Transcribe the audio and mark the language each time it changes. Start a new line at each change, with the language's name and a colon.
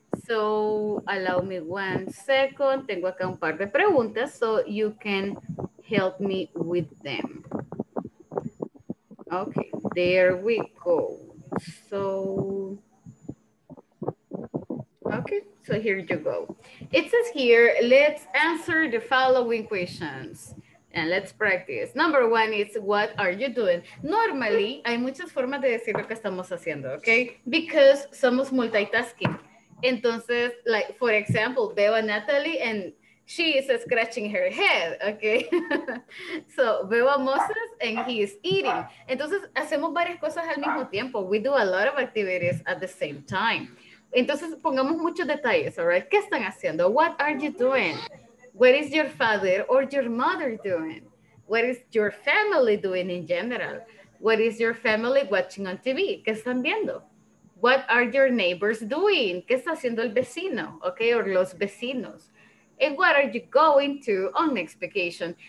English: So, allow me 1 second.
Spanish: Tengo acá un par de preguntas,
English: so you can help me with them. Okay, there we go. So, okay, so here you go. It says here, let's answer the following questions. And let's practice. Number one is, what are you doing?
Spanish: Normally, hay muchas formas de decir lo que estamos haciendo, okay?
English: Because
Spanish: somos
English: multitasking. Entonces, like, for example,
Spanish: veo a
English: Natalie and she is scratching her head, okay?
Spanish: So, veo a Moses
English: and he is eating.
Spanish: Entonces, hacemos varias cosas al mismo tiempo.
English: We do a lot of activities at the same time.
Spanish: Entonces, pongamos muchos detalles,
English: all right?
Spanish: ¿Qué están haciendo?
English: What are you doing? What is your father or your mother doing? What is your family doing in general? What is your family watching on TV?
Spanish: ¿Qué están viendo?
English: What are your neighbors doing?
Spanish: ¿Qué está haciendo el vecino?
English: Okay, or
Spanish: los vecinos.
English: And what are you going to on next vacation?